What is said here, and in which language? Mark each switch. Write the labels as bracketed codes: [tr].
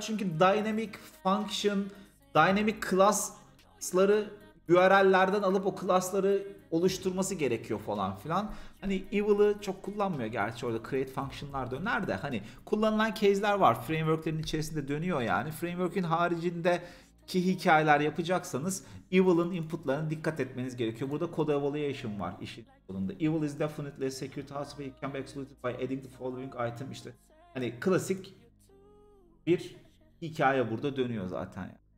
[tr] Çünkü dynamic function, dynamic class'ları URL'lerden alıp o class'ları oluşturması gerekiyor falan filan. Hani evil'ı çok kullanmıyor gerçi orada create function'lar döner de. Hani kullanılan case'ler var. Framework'lerin içerisinde dönüyor yani. Framework'in haricindeki hikayeler yapacaksanız evil'ın input'larına dikkat etmeniz gerekiyor. Burada code evaluation var işin sonunda. [en] Evil is definitely a security hazard but it can be exploited by adding the following item. [tr] İşte hani klasik bir hikaye burada dönüyor zaten.